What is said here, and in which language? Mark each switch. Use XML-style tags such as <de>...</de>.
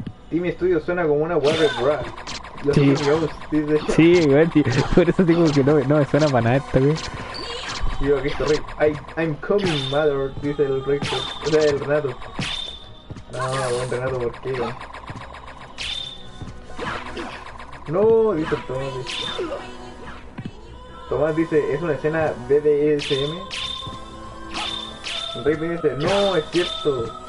<es>Team Studio suena como una Warner Bros. Los sí, weón, sí, bueno, sí. Por eso digo que no, no me suena para nada esto, weón. Digo, aquí está Rick.</es> <en>I'm coming, mother,</en> <es>dice el Rick. O sea, el Renato. No, no, buen Renato, ¿por qué, weón? No, dice el Tomás. Tomás dice, es una escena BDSM. El Rick me dice, no, es cierto.</es>